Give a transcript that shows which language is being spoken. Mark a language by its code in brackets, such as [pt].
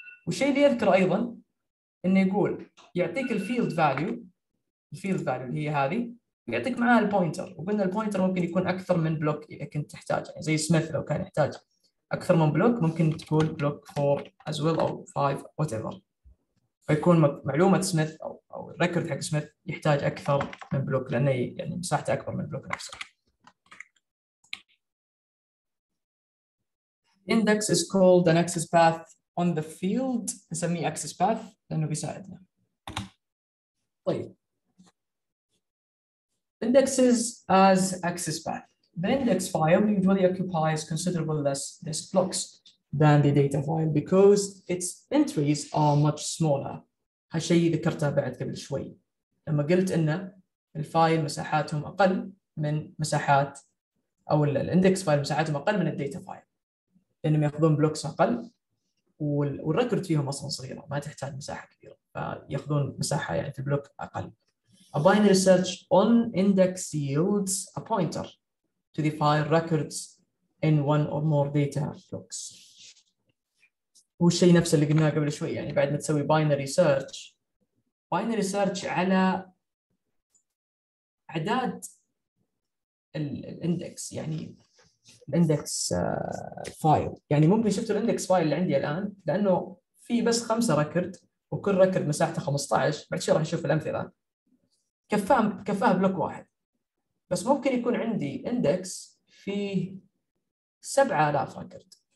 [ar] والشيء اللي يذكر ايضا انه يقول يعطيك الفيلد فاليو، الفيلد فاليو اللي هي هذه، ويعطيك معاها البوينتر، وقلنا البوينتر ممكن يكون اكثر من بلوك اذا كنت تحتاج، يعني زي سميث لو كان يحتاج اكثر من بلوك ممكن تقول بلوك 4 as well او 5 وات ايفر، فيكون معلومه سميث او الريكورد حق سميث يحتاج اكثر من بلوك لانه يعني مساحته اكبر من بلوك نفسه. [en] Index is called an access path on the field، [ar] نسميه access path لانه بيساعدنا. [en] طيب indexes as access path. The index file usually occupies considerable less disk blocks than the data file because its entries are much smaller. [ar] هالشيء ذكرته بعد قبل شوي لما قلت ان الفايل مساحاتهم اقل من مساحات، او الاندكس فايل مساحاتهم اقل من الداتا فايل لانهم ياخذون بلوكس اقل، والريكورد فيهم اصلا صغيره ما تحتاج مساحه كبيره، فياخذون مساحه يعني في البلوك اقل. [en] A binary search on index yields a pointer to the file records in one or more data blocks. [ar] والشيء نفسه اللي قلناه قبل شوي، يعني بعد ما تسوي باينري سيرش، باينري سيرش على اعداد الاندكس، يعني الاندكس فايل، يعني ممكن شفتوا الاندكس فايل اللي عندي الان، لانه في بس 5 ريكورد وكل ريكورد مساحته 15، بعد شوي راح نشوف الامثله، كفاه بلوك واحد، بس ممكن يكون عندي اندكس فيه 7000 ريكورد.